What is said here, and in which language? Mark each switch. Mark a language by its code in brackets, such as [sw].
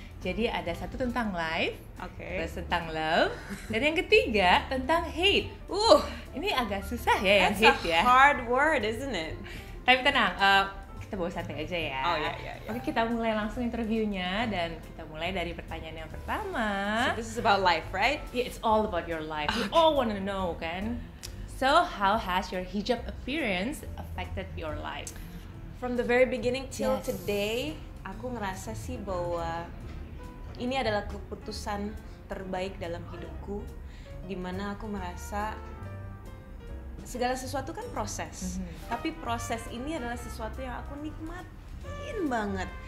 [id] Jadi ada satu tentang life, terus tentang love, dan yang ketiga tentang hate. Ini agak susah ya yang hate ya. [en] That's a hard word, isn't it? [id] Tapi tenang, kita bawa santai aja ya. Oh iya iya. Oke, kita mulai langsung interviewnya dan kita mulai dari pertanyaan yang pertama. [en] So this is about life, right? Yeah, it's all about your life. Okay. We all wanna know, kan? So how has your hijab appearance affected your life? From the very beginning till today, [id] aku ngerasa sih bahwa ini adalah keputusan terbaik dalam hidupku, dimana aku merasa segala sesuatu kan proses, tapi proses ini adalah sesuatu yang aku nikmatin banget.